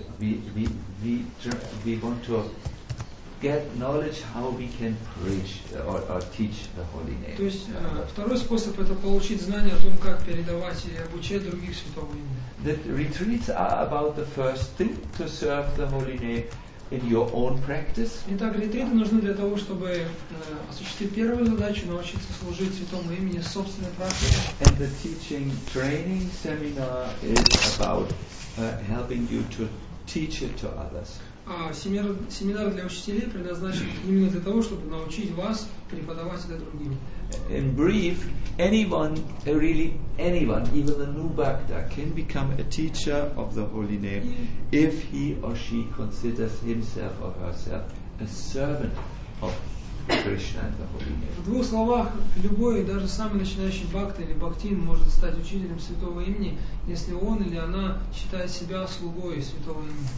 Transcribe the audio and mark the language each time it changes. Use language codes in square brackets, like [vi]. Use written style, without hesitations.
[en] We want to get knowledge how we can preach or teach the holy name. [ru] То есть второй способ это получить знания о том, как передавать и обучать других святого имени. [en] The retreats are about the first thing to serve the holy name in your own practice. [ru] Итак, ретриты нужны для того, чтобы осуществить первую задачу, научиться служить святому имени в собственной практике. [en] And the teaching training seminar is about helping you to teach it to others. [ru] А семинар для учителей предназначен именно для того, чтобы научить вас преподавать это другим. [en] In brief, anyone, really anyone, even a new bhakta, can become a teacher of the holy name if he or she considers himself or herself a servant of Krishna and the holy name. [ru] В двух словах, любой, даже самый начинающий бхакта или бхактин может стать учителем святого имени, если он или она считает себя слугой святого имени.